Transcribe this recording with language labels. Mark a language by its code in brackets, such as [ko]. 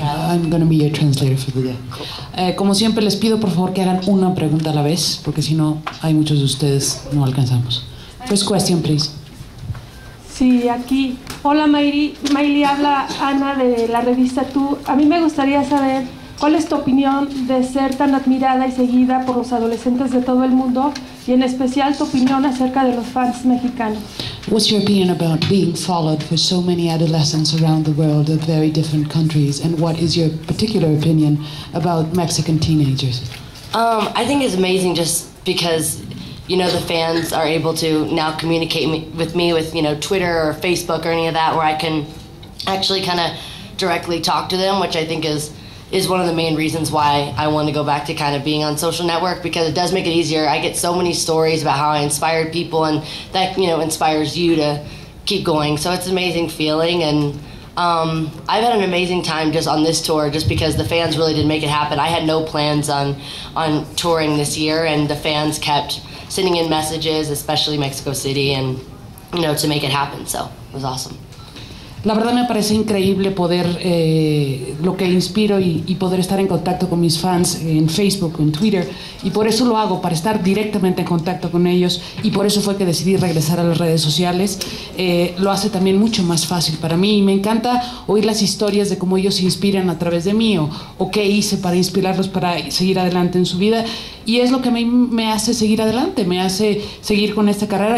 [en] I'm going to be your translator for the day. [es] Como siempre, les pido, por favor, que hagan una pregunta a la vez, porque si no, hay muchos de ustedes, no alcanzamos. [en] First question, please. [es] Sí, aquí. Hola, Miley. Miley, habla Ana de la revista Tú. A mí me gustaría saber, ¿cuál es tu opinión de ser tan admirada y seguida por los adolescentes de todo el mundo, y en especial tu opinión acerca de los fans mexicanos? [en] What's your opinion about being followed for so many adolescents around the world of very different countries, and what is your particular opinion about Mexican teenagers? I think it's amazing just because, you know, the fans are able to now communicate with me with, you know, Twitter or Facebook or any of that, where I can actually kind of directly talk to them, which I think is one of the main reasons why I want to go back to kind of being on social network, because it does make it easier. I get so many stories about how I inspired people, and that, you know, inspires you to keep going. So it's an amazing feeling, and I've had an amazing time just on this tour, just because the fans really did make it happen. I had no plans on touring this year, and the fans kept sending in messages, especially Mexico City, and, you know, to make it happen. So it was awesome. [es] La verdad me parece increíble poder lo que inspiro y poder estar en contacto con mis fans en Facebook, en Twitter, y por eso lo hago, para estar directamente en contacto con ellos, y por eso fue que decidí regresar a las redes sociales. Lo hace también mucho más fácil para mí, y me encanta oír las historias de cómo ellos se inspiran a través de mí, o qué hice para inspirarlos para seguir adelante en su vida, y es lo que a mí me hace seguir adelante, me hace seguir con esta carrera.